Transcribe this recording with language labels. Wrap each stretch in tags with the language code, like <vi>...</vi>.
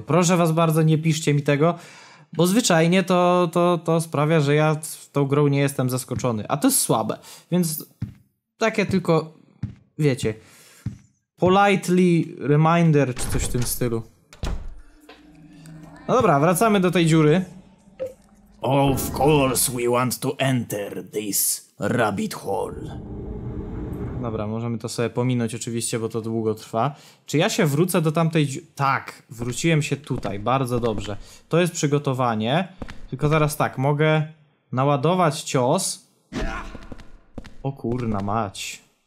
<pl>Proszę was bardzo, nie piszcie mi tego, bo zwyczajnie to sprawia, że ja tą grą nie jestem zaskoczony. A to jest słabe, więc takie tylko, wiecie,</pl> <en>politely reminder</en> <pl>czy coś w tym stylu. No dobra, wracamy do tej dziury.</pl> <en>Of course we want to enter this rabbit hole.</en> <pl>Dobra, możemy to sobie pominąć oczywiście, bo to długo trwa. Czy ja się wrócę do tamtej... Tak, wróciłem się tutaj, bardzo dobrze. To jest przygotowanie. Tylko zaraz tak, mogę naładować cios. O kurna mać.</pl>